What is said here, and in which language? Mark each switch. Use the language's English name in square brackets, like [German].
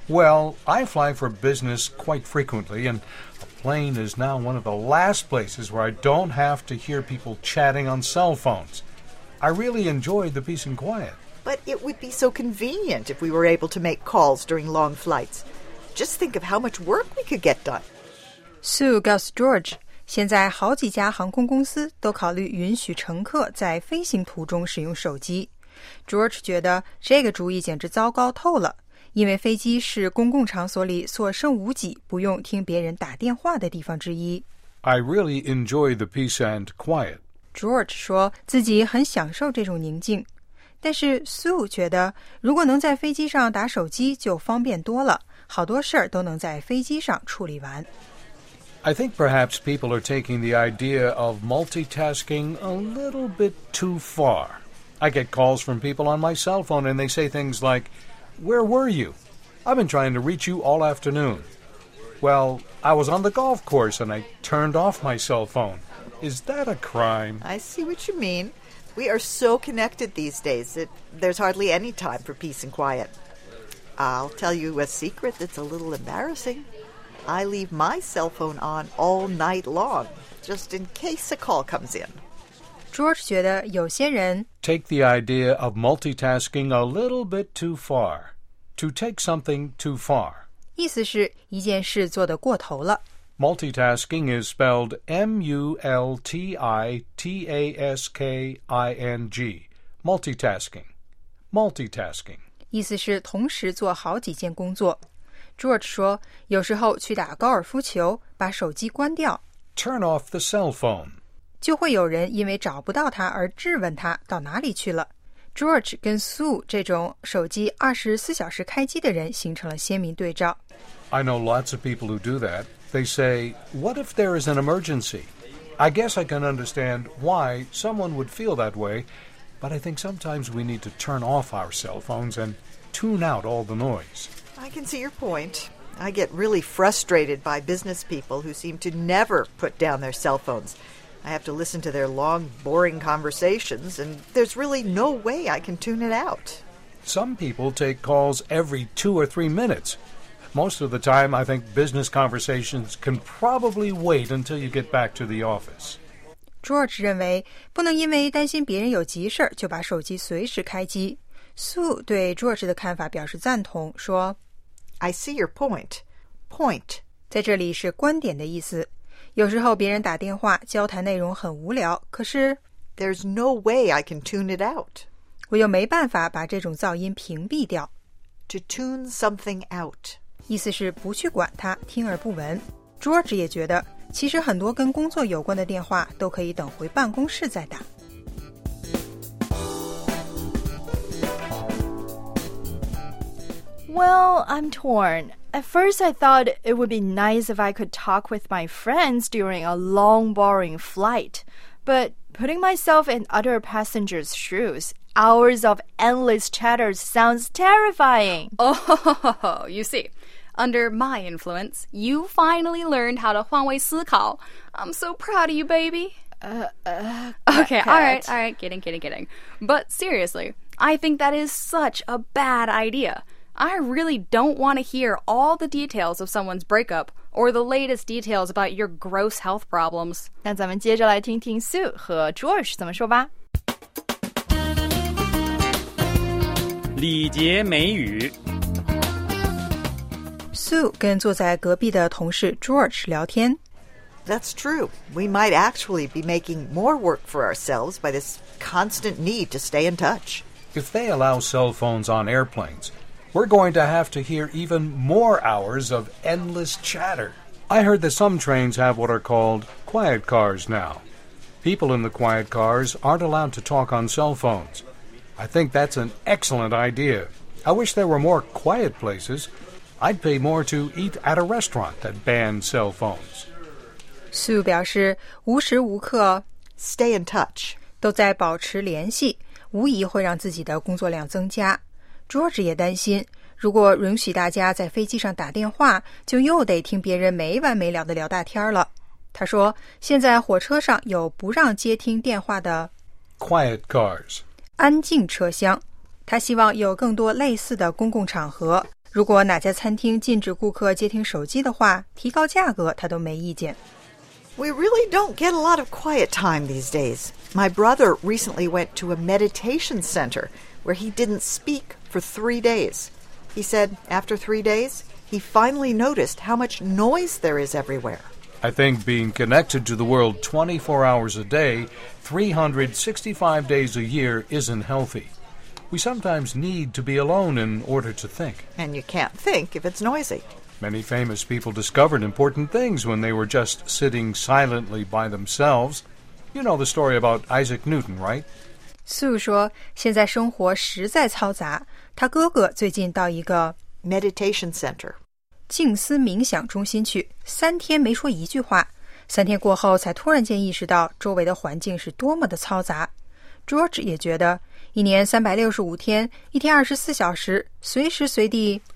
[English] Well, I fly for business quite frequently, and a plane is now one of the last places where I don't have to hear people chatting on cell phones. I really enjoy the peace and quiet. But it would be so convenient if we were able to make calls during long flights. Just think of how much work we could get done. [Chinese] Sue 告诉 George, 现在好几家航空公司都考虑允许乘客在飞行途中使用手机。 George 觉得这个主意简直糟糕透了,因为飞机是公共场所里所剩无几不用听别人打电话的地方之一。 [English] I really enjoy the peace and quiet. [Chinese] George 说自己很享受这种宁静。但是 Sue 觉得如果能在飞机上打手机就方便多了，好多事儿都能在飞机上处理完。 [English] I think perhaps people are taking the idea of multitasking a little bit too far. I get calls from people on my cell phone and they say things like, Where were you? I've been trying to reach you all afternoon. Well, I was on the golf course and I turned off my cell phone. Is that a crime? I see what you mean. We are so connected these days that there's hardly any time for peace and quiet. I'll tell you a secret that's a little embarrassing. I leave my cell phone on all night long, just in case a call comes in. [Chinese] George 觉得有些人 [English] take the idea of multitasking a little bit too far. To take something too far. [Chinese] 意思是一件事做得过头了。 [English] Multitasking is spelled M-U-L-T-I-T-A-S-K-I-N-G. Multitasking. Multitasking. [Chinese] 意思是同时做好几件工作。George 说，有时候去打高尔夫球，把手机关掉。 [English] Turn off the cell phone. [Chinese] 就会有人因为找不到他而质问他到哪里去了。 George 跟 Sue 这种手机24小时开机的人形成了鲜明对照。 [English] I know lots of people who do that. They say, what if there is an emergency? I guess I can understand why someone would feel that way, but I think sometimes we need to turn off our cell phones and tune out all the noise. I can see your point. I get really frustrated by business people who seem to never put down their cell phones. I have to listen to their long, boring conversations, and there's really no way I can tune it out. Some people take calls every 2 or 3 minutes. Most of the time, I think business conversations can probably wait until you get back to the office. [Chinese] George 认为不能因为担心别人有急事就把手机随时开机。 Sue 对 George 的看法表示赞同，说 [English] I see your point. Point [Chinese] 在这里是观点的意思。有时候别人打电话，交谈内容很无聊，可是 [English] There's no way I can tune it out. [Chinese] 我又没办法把这种噪音屏蔽掉。 [English] To tune something out. [Chinese] 意思是不去管它，听而不闻。George 也觉得，其实很多跟工作有关的电话都可以等回办公室再打。 [English] Well, I'm torn. At first, I thought it would be nice if I could talk with my friends during a long, boring flight. But putting myself in other passengers' shoes... Hours of endless chatter sounds terrifying. Oh, you see, under my influence, you finally learned how to [Chinese] 换位思考. [English] I'm so proud of you, baby. Okay, all right. Kidding. But seriously, I think that is such a bad idea. I really don't want to hear all the details of someone's breakup or the latest details about your gross health problems. [Chinese] 那咱们接着来听听 Sue 和 George 怎么说吧。礼节美语。 Sue 跟坐在隔壁的同事 George 聊天。 [English] That's true. We might actually be making more work for ourselves by this constant need to stay in touch. if they allow cell phones on airplanes, we're going to have to hear even more hours of endless chatter. I heard that some trains have what are called quiet cars now. People in the quiet cars aren't allowed to talk on cell phones. I think that's an excellent idea. I wish there were more quiet places. I'd pay more to eat at a restaurant that banned cell phones. [Chinese] Sue 表示无时无刻 [English] stay in touch [Chinese] 都在保持联系，无疑会让自己的工作量增加。 George 也担心，如果允许大家在飞机上打电话，就又得听别人没完没了的聊大天了。他说，现在火车上有不让接听电话的 [English] quiet cars [Chinese] 安静车厢。他希望有更多类似的公共场合。如果哪家餐厅禁止顾客接听手机的话，提高价格他都没意见。 [English] We really don't get a lot of quiet time these days. My brother recently went to a meditation center where he didn't speak for 3 days. He said after 3 days, he finally noticed how much noise there is everywhere. I think being connected to the world 24 hours a day, 365 days a year isn't healthy. We sometimes need to be alone in order to think. And you can't think if it's noisy. Many famous people discovered important things when they were just sitting silently by themselves. You know the story about Isaac Newton, right? [Chinese] Sue 说现在生活实在嘈杂。他哥哥最近到一个 [English] meditation center, [Chinese] 静思冥想中心去，三天没说一句话。三天过后才突然间意识到周围的环境是多么的嘈杂。 George 也觉得一年365天，一天24小时，随时随地